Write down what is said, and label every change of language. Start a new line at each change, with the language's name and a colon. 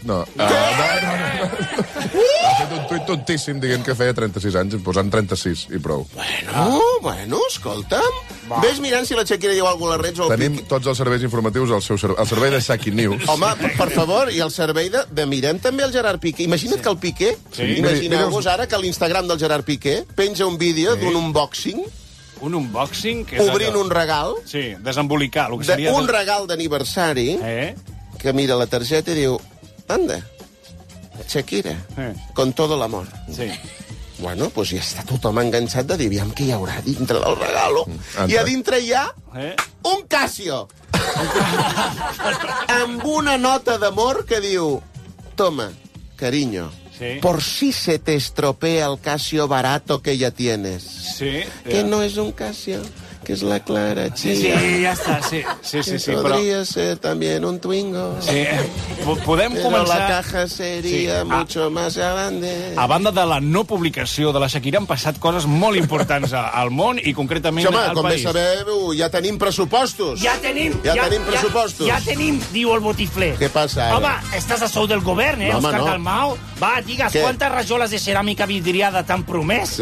Catalan: No. Ha fet un tuit tontíssim, dient que feia 36 anys, posant 36 i prou. Bueno, escolta'm. Va. Ves mirant si la Shakira
Spanish: lleva alguna red.
Catalan: Tenim tots els serveis informatius al servei de Saki News. Home, per favor, i el servei de mirem també el Gerard Piqué. Imagina't, sí. Que el Piqué... Sí. Imagineu-vos ara que l'Instagram del Gerard Piqué penja un vídeo, sí. D'un unboxing... Un unboxing... Que obrint un regal... Sí, desembolicar, el que seria... Un regal d'aniversari... Que mira la targeta i diu...
Spanish: Anda, Shakira, con todo el amor. Sí.
Catalan: Bueno, pues ja està tothom enganxat de dir... Aviam què hi haurà dintre del regal. I a dintre hi ha... Un Casio! Amb una nota d'amor que diu...
Spanish: Toma, cariño... Sí. Por si se te estropea el Casio barato que ya tienes. Sí. Que no es un Casio, que es la Clara Chía. Sí, ya está, sí. Sí, sí, sí. Podría
Catalan: però...
Spanish: ser también un Twingo.
Catalan: Sí. Podem però començar...
Spanish: la caja sería mucho más grande.
Catalan: A banda de la no publicació de la Shakira, han passat coses molt importants al món i concretament home, al com país. Com bé sabem, ja tenim pressupostos. Ja tenim pressupostos. Ja tenim, diu el botifler. Què passa, ara? Home, estàs a sou del govern, eh? Home, Oscar Dalmau. Va, digues, quantes rajoles de ceràmica vidriada t'han promès?